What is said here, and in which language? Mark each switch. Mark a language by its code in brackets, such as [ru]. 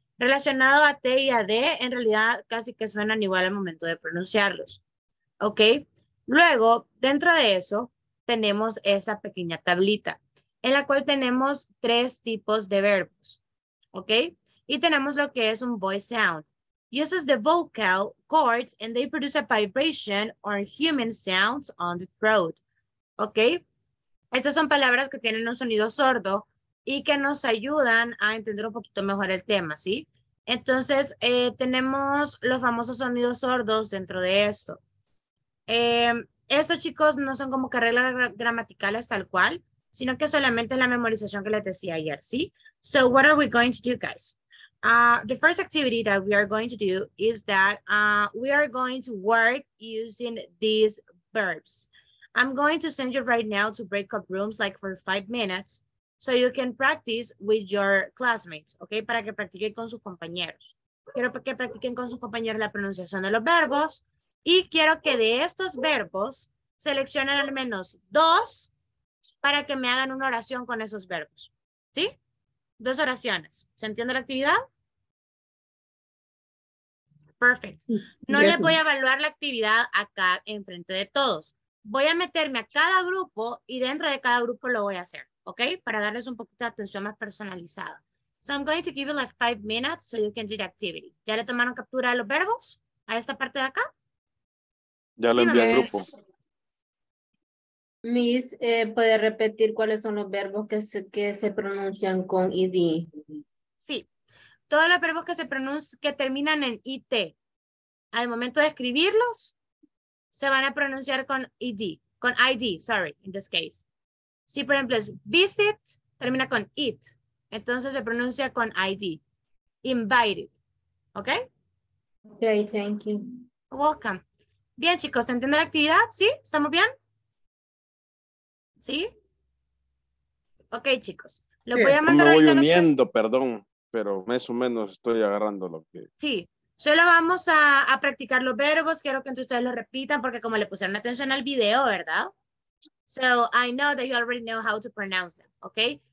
[es] Relacionado a T y a D, en realidad casi que suenan igual al momento de pronunciarlos. ¿Ok? Luego, dentro de eso, tenemos esa pequeña tablita, en la cual tenemos tres tipos de verbos. ¿Ok? Y tenemos lo que es un voice sound. [en] Uses the vocal cords and they produce a vibration or human sounds on the throat. [es] ¿Ok? Estas son palabras que tienen un sonido sordo y que nos ayudan a entender un poquito mejor el tema, ¿sí? Entonces, tenemos los famosos sonidos sordos dentro de esto. Estos, chicos, no son como que reglas gramaticales tal cual, sino que solamente es la memorización que les decía ayer, ¿sí? [en] So, what are we going to do, guys? The first activity that we are going to do is that we are going to work using these verbs. I'm going to send you right now to breakout rooms, like for 5 minutes, so you can practice with your classmates, ¿ok? [es] Para que practiquen con sus compañeros. Quiero que practiquen con sus compañeros la pronunciación de los verbos y quiero que de estos verbos seleccionen al menos dos para que me hagan una oración con esos verbos, ¿sí? Dos oraciones. ¿Se entiende la actividad? Perfecto. No les voy a evaluar la actividad acá enfrente de todos. Voy a meterme a cada grupo y dentro de cada grupo lo voy a hacer, ¿ok? Para darles un poquito de atención más personalizada. [en] So I'm going to give you like 5 minutes so you can do the activity. [es] ¿Ya le tomaron captura de los verbos a esta parte de acá? Ya lo envié al grupo. Miss, ¿puede repetir cuáles son los verbos que se pronuncian con ed? Sí, todos los verbos que terminan en it, al momento de escribirlos, se van a pronunciar con ed, con id, [en] sorry, in this case. [es] Si, por ejemplo, es visit, termina con it. Entonces se pronuncia con id. Invited. ¿Ok? [en] Ok, thank you. Welcome. [es] Bien, chicos, ¿se entiende la actividad? ¿Sí? ¿Estamos bien? ¿Sí? Ok, chicos. Lo voy a mandar. Me voy uniendo, perdón, pero más o menos estoy agarrando lo que... Sí. Solo vamos a practicar los verbos. Quiero que entre ustedes lo repitan porque como le pusieron atención al video, ¿verdad? [en] So, I know that you already know how to pronounce them, ¿ok?